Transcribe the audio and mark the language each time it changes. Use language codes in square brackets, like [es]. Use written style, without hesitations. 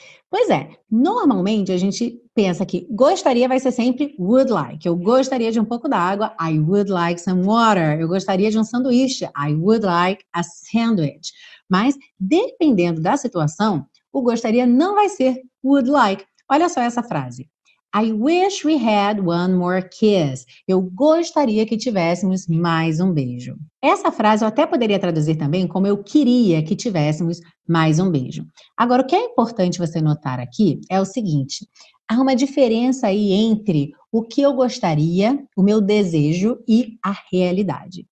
[pt] Pois é, normalmente a gente pensa que gostaria vai ser sempre would like. Eu gostaria de um pouco d'água, [en] I would like some water. [pt] Eu gostaria de um sanduíche, [en] I would like a sandwich. [pt] Mas, dependendo da situação, o gostaria não vai ser would like. Olha só essa frase. [en] I wish we had one more kiss. [pt] Eu gostaria que tivéssemos mais um beijo. Essa frase eu até poderia traduzir também como eu queria que tivéssemos mais um beijo. Agora, o que é importante você notar aqui é o seguinte. Há uma diferença aí entre o que eu gostaria, o meu desejo e a realidade.